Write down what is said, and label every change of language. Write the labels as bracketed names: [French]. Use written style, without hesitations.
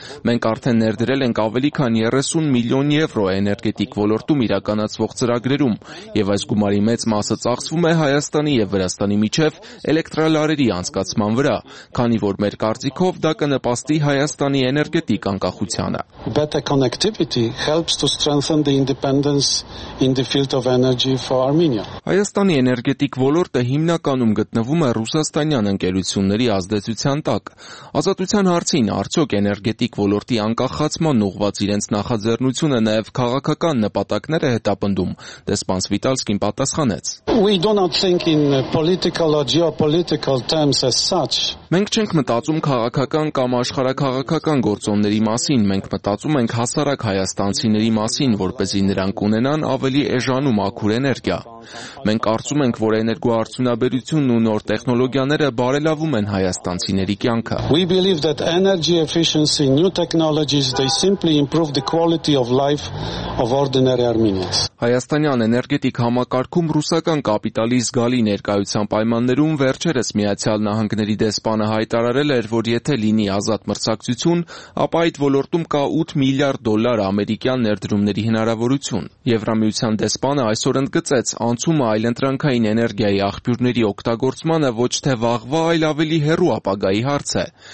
[Armenian] Մենք արդեն ներդրել ենք ավելի քան 30 միլիոն եվրո էներգետիկ ոլորտում իրականացվող ծրագրերում, եւ այս գումարի մեծ մասը ծախսվում է Հայաստանի եւ Վրաստանի միջև էլեկտրալարերի անցկացման վրա, քանի որ մեր կարծիքով դա կնպաստի Հայաստանի էներգետիկ անկախության հասարակությանը։ [English] Better connectivity helps to strengthen the independence in the field of energy for Armenia. [Armenian] Հայաստանի էներգետիկ ոլորտը հիմնականում գտնվում է ռուսաստանյան ընկերությունների ազդեցության տակ։ Ազատության հարցին արդյոք էներգետիկ ոլորտի անկախացման ուղղված իրենց նախաձեռնությունը նաև քաղաքական նպատակները հետապնդում, դեսպան Սվիտալսկին պատասխանեց։ [English] We do not think in political or geopolitical terms as such. [Armenian] Մենք չենք մտածում քաղաքական կամ աշխարհակաղակական գործոնների մասին, մենք մտածում ենք հասարակ հայաստանցիների մասին, որպեսզի նրանք ունենան ավելի էժանում աքուր էներգիա։ Մենք կարծում ենք, որ էներգոարդյունաբերությունն ու նոր տեխնոլոգիաները բարելավում են հայաստանցիների կյանքը։ [English] We believe that energy efficiency, new technologies, they simply improve the quality of life of ordinary Armenians. [Armenian] Հայաստանյան էներգետիկ համակարգում ռուսական կապիտալի զգալի ներկայության պայմաններում վերջերս Միացյալ Նահանգների դեսպանը հայտարարել էր, որ եթե լինի ազատ մրցակցություն, ապա այդ ոլորտում կա 8 միլիարդ դոլար ամերիկյան ներդրումների հնարավորություն։ Եվրամիության դեսպանը այսօր ընդգծեց անցումը այլընտրանքային էներգիայի աղբյուրների օգտագործմանը ոչ թե վաղվա, այլ ավելի հեռու ապագայի հարց է,